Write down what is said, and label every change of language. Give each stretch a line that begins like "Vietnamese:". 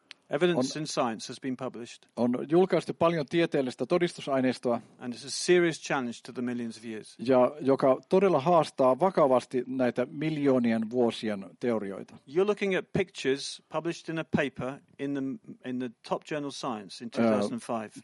English: evidence in science has been published.
Finnish: On julkaistu paljon tieteellistä todistusaineistoa.
English: And it's a serious challenge to the millions of years.
Finnish: Ja joka todella haastaa vakavasti näitä miljoonien vuosien teorioita.
English: You're looking at pictures published in a paper in the top journal Science in 2005.